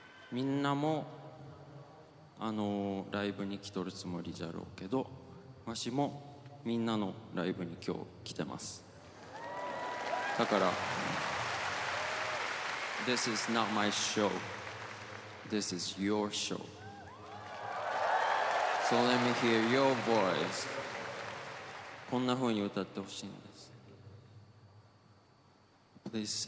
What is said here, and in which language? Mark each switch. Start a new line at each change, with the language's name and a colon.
Japanese: みんなもライブに来とるつもりじゃろうけど、わしもみんなのライブに今日来てます。だから
English: This is not my show, This is your show, So let me hear your voice。
Japanese: こんな風に歌ってほしいんです。